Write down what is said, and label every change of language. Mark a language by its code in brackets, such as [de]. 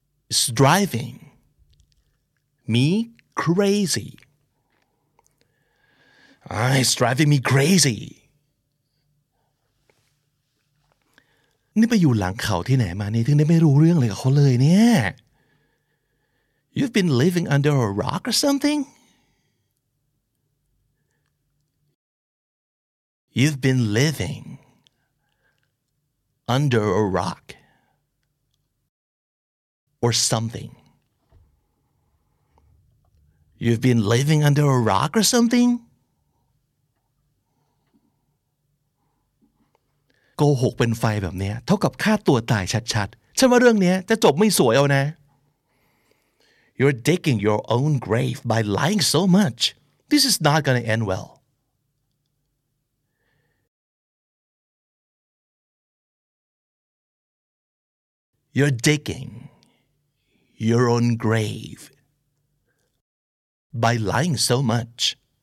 [en] It's driving me crazy. It's driving me crazy. [th] นี่ไปอยู่หลังเขาที่ไหนมานี่ถึงได้ไม่รู้เรื่องอะไรกับเขาเลยเนี่ย [en] You've been living under a rock or something? You've been livingUnder a rock or something. You've been living under a rock or something? [th] โกหกเป็นไฟแบบเนี้ยเท่ากับฆ่าตัวตายชัดๆฉันว่าเรื่องเนี้ยจะจบไม่สวยเอานะ [en] You're digging your own grave by lying so much. This is not going to end well. You're digging your own grave by lying so much.